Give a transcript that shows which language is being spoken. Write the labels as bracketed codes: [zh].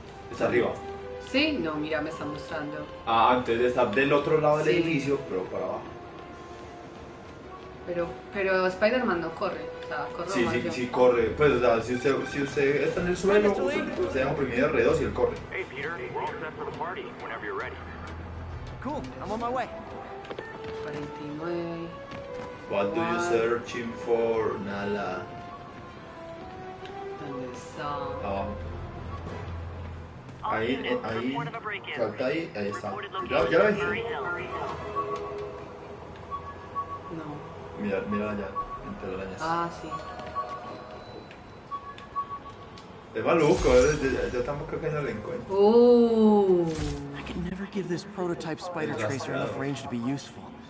[es] ¿Está arriba? Sí, no, mira, me está mostrando. Ah, entonces está del otro lado del edificio, pero para abajo. Pero Spider-Man no corre, o sea, corre. Sí, sí, sí, corre. Pues, o sea, si usted está en el suelo, usted deja oprimido R2 y él corre. [en] Hey, Peter, we're all set for the party, whenever you're ready. Cool, I'm on my way. 49. What do you searching for, Nala? [es] ¿Dónde está? Ahí. Falta ahí está. Ya lo hice. No. Mira allá, en telarañas. Ah, sí. Es maluco, yo tampoco que no lo encuentro. [en] I could never give this prototype spider tracer enough range to be useful.